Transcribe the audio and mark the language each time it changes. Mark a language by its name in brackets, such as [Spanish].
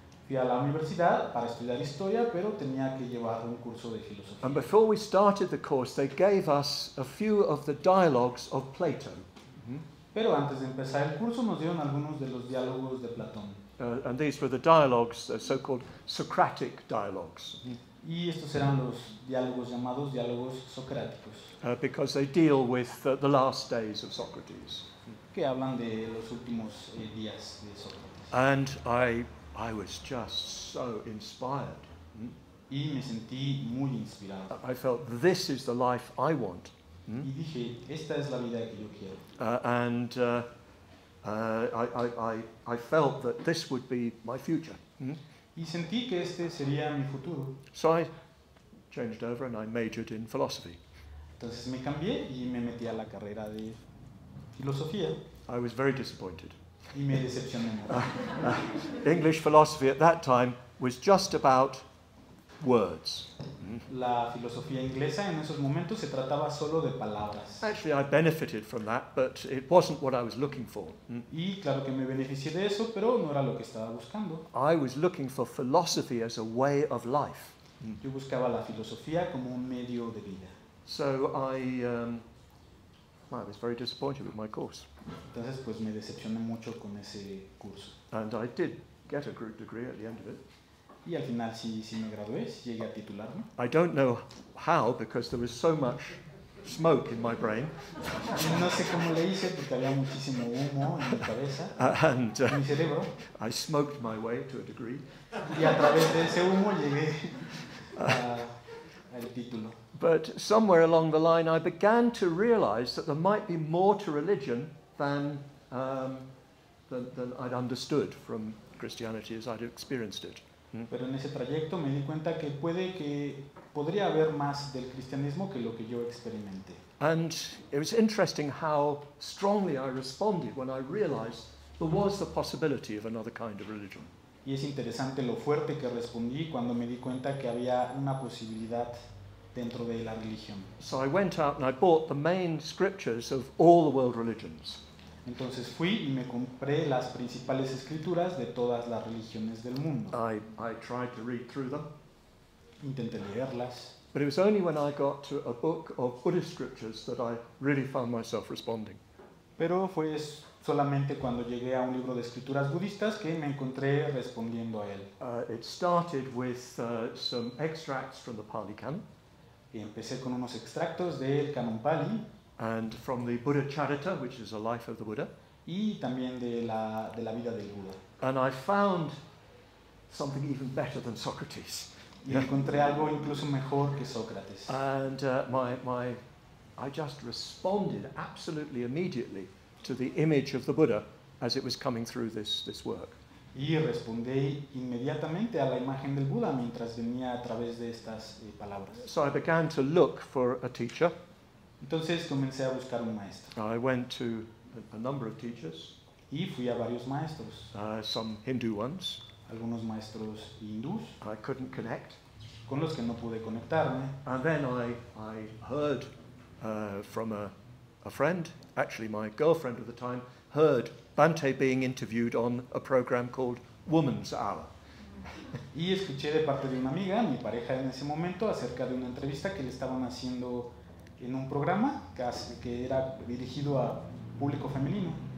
[Spanish] Fui a la universidad para estudiar historia, pero tenía que llevar un curso de filosofía. [English] And before we started the course, they gave us a few of the dialogues of Plato. [Spanish] Pero antes de empezar el curso, nos dieron algunos de los diálogos de Platón. [English] And these were the dialogues, the so-called Socratic dialogues. [Spanish] Y estos eran los diálogos llamados diálogos socráticos. [English] Because they deal with the last days of Socrates. [Spanish] Que hablan de los últimos días de Sócrates. [English] And I was just so inspired. [Spanish] Y me sentí muy inspirado. [English] I felt this is the life I want. [Spanish] Y dije, esta es la vida que yo quiero. [English] I felt that this would be my future. [Spanish] Y sentí que este sería mi futuro. [English] So I changed over and I majored in philosophy. [Spanish] Entonces me cambié y me metí a la carrera de filosofía. [English] I was very disappointed. [Spanish] Y me decepcioné. [English] English philosophy at that time was just about words. [Spanish] La filosofía inglesa en esos momentos se trataba solo de palabras. [English] Actually, I benefited from that, but it wasn't what I was looking for. [Spanish] Y claro que me beneficié de eso, pero no era lo que estaba buscando. [English] I was looking for philosophy as a way of life. [Spanish] Yo buscaba la filosofía como un medio de vida. [English] So I was very disappointed with my course. [Spanish] Entonces, pues, me decepcioné mucho con ese curso. [English] And I did get a group degree at the end of it. [Spanish] Y al final sí me gradué, sí llegué a titularme. [English] I don't know how, because there was so much smoke in my brain. [Spanish] No sé cómo le hice, porque había muchísimo humo en mi cabeza, en mi cerebro. [English] I smoked my way to a degree. [Spanish] Y a través de ese humo llegué al título. [English] But somewhere along the line, I began to realize that there might be more to religion than I'd understood from Christianity as I'd experienced it. [Spanish] Pero en ese trayecto me di cuenta que puede que podría haber más del cristianismo que lo que yo experimenté. [English] And it was interesting how strongly I responded when I realized there was the possibility of another kind of religion. [Spanish] Y es interesante lo fuerte que respondí cuando me di cuenta que había una posibilidad dentro de la religión. [English] So I went out and I bought the main scriptures of all the world religions. [Spanish] Entonces fui y me compré las principales escrituras de todas las religiones del mundo. [English] I tried to read through them. [Spanish] Intenté leerlas. [English] But it was only when I got to a book of Buddhist scriptures that I really found myself responding. [Spanish] Pero fue solamente cuando llegué a un libro de escrituras budistas que me encontré respondiendo a él. [English] It started with some extracts from the Pali Canon. [Spanish] Y empecé con unos extractos del Canon Pali. [English] And from the Buddha Charita, which is a life of the Buddha. [Spanish] Y también de la vida del Buda. [English] And I found something even better than Socrates. [Spanish] y encontré algo incluso mejor que Sócrates. [English] And my I just responded absolutely immediately to the image of the Buddha as it was coming through this work. [Spanish] Y respondí inmediatamente a la imagen del Buda mientras venía a través de estas palabras. [English] So I began to look for a teacher. [Spanish] Entonces comencé a buscar un maestro. [English] I went to a number of teachers. [Spanish] Y fui a varios maestros. [English] Some Hindu ones. [Spanish] Algunos maestros hindús. [English] I couldn't connect. [Spanish] Con los que no pude conectarme. [English] And then I heard from a friend, actually my girlfriend at the time, heard Bhante being interviewed on a program called Woman's Hour. [Spanish] Y escuché de parte de una amiga, mi pareja en ese momento, acerca de una entrevista que le estaban haciendo en un programa que era dirigido a público femenino.